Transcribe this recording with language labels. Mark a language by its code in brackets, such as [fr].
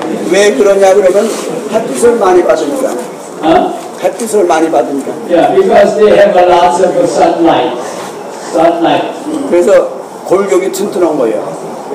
[ko] 왜 그러냐 그러면 햇빛을 많이 받으니까. 햇빛을 많이 받으니까. [en] Yeah, because they have a lot of sunlight. [ko] 그래서 골격이 튼튼한 거예요.